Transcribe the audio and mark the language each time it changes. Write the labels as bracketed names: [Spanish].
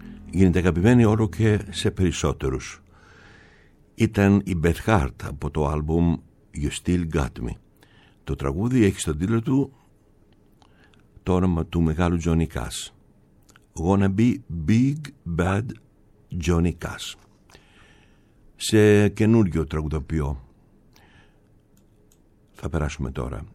[Greek] Γίνεται αγαπημένη όλο και σε περισσότερους. Ήταν η Beth Hart από το άλμπουμ You Still Got Me. Το τραγούδι έχει στον τίτλο του το όνομα του μεγάλου Johnny Cash. [English] Gonna be big bad Johnny Cash. [Greek] Σε καινούργιο τραγουδοποιό θα περάσουμε τώρα.